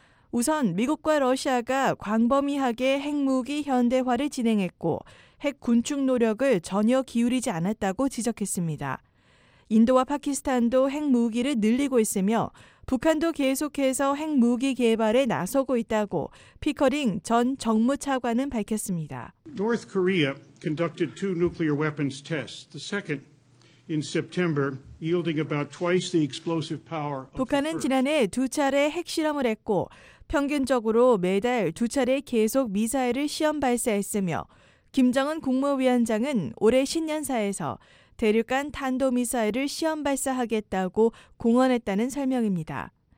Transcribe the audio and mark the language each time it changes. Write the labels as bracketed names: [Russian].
[Korean] 우선 미국과 러시아가 광범위하게 핵무기 현대화를 진행했고 핵 군축 노력을 전혀 기울이지 않았다고 지적했습니다. 인도와 파키스탄도 핵무기를 늘리고 있으며 북한도 계속해서 핵무기 개발에 나서고 있다고 피커링 전 정무차관은 밝혔습니다. [English] North Korea conducted two nuclear weapons tests. The second in September, yielding about twice the explosive power of the first. [Korean] 북한은 지난해 두 차례 핵실험을 했고 평균적으로 매달 두 차례 계속 미사일을 시험 발사했으며 김정은 국무위원장은 올해 신년사에서 대륙간 탄도미사일을 시험 발사하겠다고 공언했다는 설명입니다.